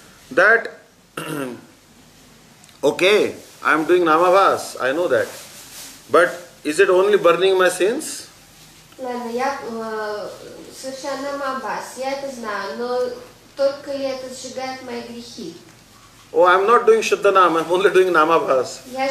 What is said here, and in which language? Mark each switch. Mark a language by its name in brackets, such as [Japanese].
[English] That, okay, I am doing namavas, I know that. But is it only burning my sins? [Russian] Ладно, я совершаю намавас, я это знаю, но только ли это сжигает мои грехи? [English] Oh, I'm not doing Shuddhanam, I'm only doing Namabhas.